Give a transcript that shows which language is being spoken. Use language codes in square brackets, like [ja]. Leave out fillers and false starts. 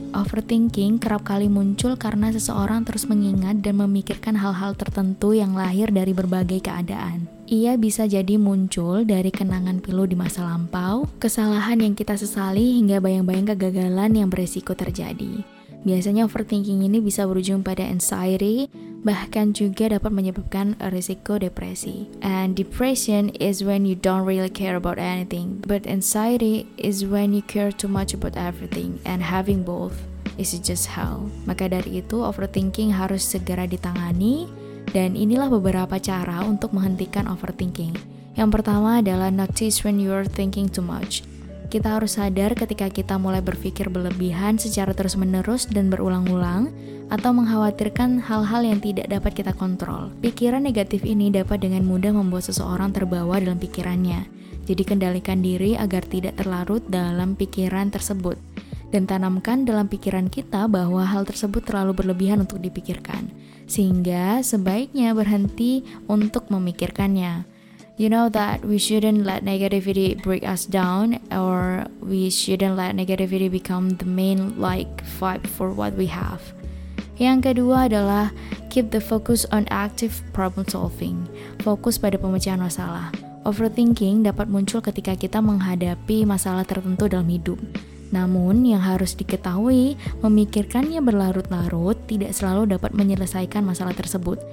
[id] Overthinking kerap kali muncul karena seseorang terus mengingat dan memikirkan hal-hal tertentu yang lahir dari berbagai keadaan. Ia bisa jadi muncul dari kenangan pilu di masa lampau, kesalahan yang kita sesali, hingga bayang-bayang kegagalan yang berisiko terjadi. Biasanya overthinking ini bisa berujung pada anxiety, bahkan juga dapat menyebabkan risiko depresi. [en] And depression is when you don't really care about anything, but anxiety is when you care too much about everything, and having both is just hell. [id] Maka dari itu, overthinking harus segera ditangani, dan inilah beberapa cara untuk menghentikan overthinking. Yang pertama adalah [en] notice when you're thinking too much. [id] Kita harus sadar ketika kita mulai berpikir berlebihan secara terus-menerus dan berulang-ulang atau mengkhawatirkan hal-hal yang tidak dapat kita kontrol. Pikiran negatif ini dapat dengan mudah membuat seseorang terbawa dalam pikirannya. Jadi kendalikan diri agar tidak terlarut dalam pikiran tersebut. Dan tanamkan dalam pikiran kita bahwa hal tersebut terlalu berlebihan untuk dipikirkan. Sehingga sebaiknya berhenti untuk memikirkannya. [en] You know that we shouldn't let negativity break us down, or we shouldn't let negativity become the main like vibe for what we have. [id] Yang kedua adalah [en] keep the focus on active problem solving. [id] Fokus pada pemecahan masalah. Overthinking dapat muncul ketika kita menghadapi masalah tertentu dalam hidup. Namun, yang harus diketahui, memikirkannya berlarut-larut tidak selalu dapat menyelesaikan masalah tersebut.